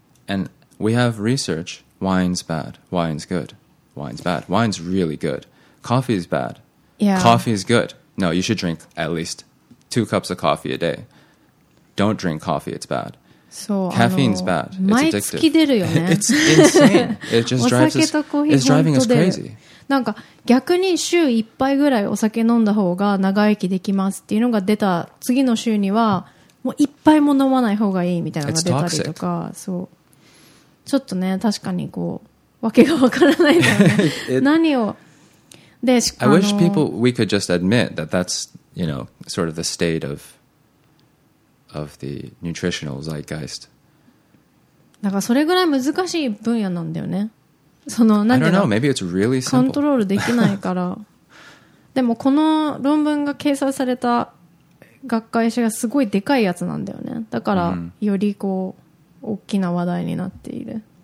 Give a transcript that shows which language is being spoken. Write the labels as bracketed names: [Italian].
[English] And we have research, wine's bad, wine's good, wine's bad, wine's really good, coffee's bad, coffee's good. No, you should drink at least 2 cups of coffee a day. Don't drink coffee, it's bad. So, caffeine's bad. It's addictive. [Japanese] 毎月出るよね。 [English] It's insane. It just drives us, it's driving us crazy. [Japanese] なんか逆に週一杯ぐらいお酒飲んだ方が長生きできますっていうのが出た次の週にはもう一杯も飲まない方がいいみたいなのが出たりとか、そう。ちょっとね、確かにこう、わけがわからないんだよね。何を。 [English] I wish people, we could just admit that that's, you know, sort of the state of the nutritional zeitgeist. [Japanese] だからそれぐらい難しい分野なんだよね。 [English] I don't know, maybe it's really simple. [Japanese] コントロールできないから。でもこの論文が掲載された学会誌がすごいでかいやつなんだよね。だからよりこう、大きな話題になっている。